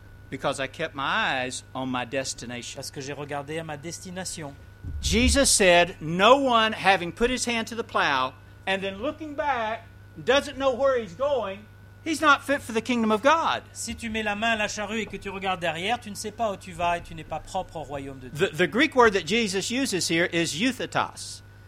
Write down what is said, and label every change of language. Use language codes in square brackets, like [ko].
[en] Because I kept my eyes on my destination. [fr] Parce que j'ai regardé à ma destination. [en] Jesus said, no one having put his hand to the plow and then looking back doesn't know where he's going, he's not fit for the kingdom of God. [fr] Si tu mets la main à la charrue et que tu regardes derrière, tu ne sais pas où tu vas et tu n'es pas propre au royaume de Dieu. [en] The Greek word that Jesus uses here is euthetos.